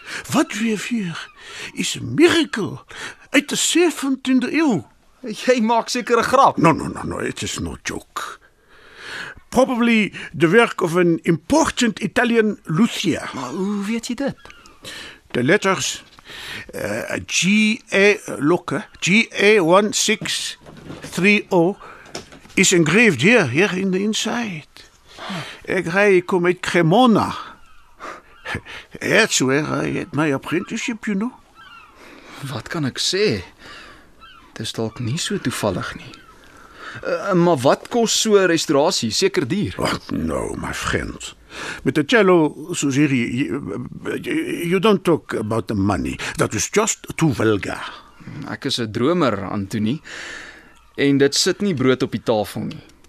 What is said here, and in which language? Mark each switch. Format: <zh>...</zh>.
<en>Wat we have here is a miracle</en> <nl>uit de 17e eeuw.</nl> <af>Jy maak seker 'n grap.</af> <en>No, it is no joke. Probably the work of an important Italian luthier.</en> <af>Maar hoe weet jy dit?</af> <nl>De letters</nl> <en>GA1630 is engraved hier in the inside.</en> <nl>Hij komt uit Cremona.</nl> <en>That's where I had my apprenticeship, you know.</en> <af>Wat kan ek sê? Dis dalk nie so toevallig nie. Maar wat kos so 'n restaurasie? Seker duur. Wat nou, my vriend. Met die cello,</af> <en>Suzuki, you don't talk about the money. That is just too vulgar.</en> <af>Ek is 'n dromer, Antonie. En dit sit nie brood op die tafel nie.</af>